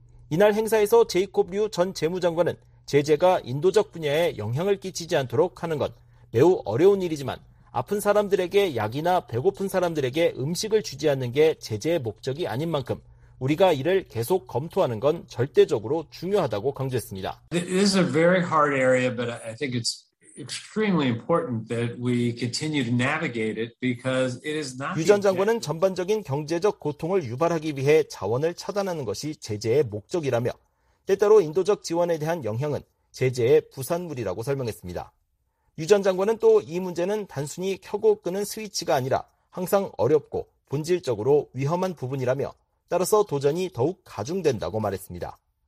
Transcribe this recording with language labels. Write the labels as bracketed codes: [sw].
[ko] 이날 행사에서 제이콥 류 전 재무장관은 제재가 인도적 분야에 영향을 끼치지 않도록 하는 건 매우 어려운 일이지만 아픈 사람들에게 약이나 배고픈 사람들에게 음식을 주지 않는 게 제재의 목적이 아닌 만큼 우리가 이를 계속 검토하는 건 절대적으로 중요하다고 강조했습니다. [en] This is a very hard area, but I think it's extremely important that we continue to navigate it because it is not. [ko] 유 전 장관은 전반적인 경제적 고통을 유발하기 위해 자원을 차단하는 것이 제재의 목적이라며 때때로 인도적 지원에 대한 영향은 제재의 부산물이라고 설명했습니다. 유 전 장관은 또 이 문제는 단순히 켜고 끄는 스위치가 아니라 항상 어렵고 본질적으로 위험한 부분이라며 따라서 도전이 더욱 가중된다고 말했습니다.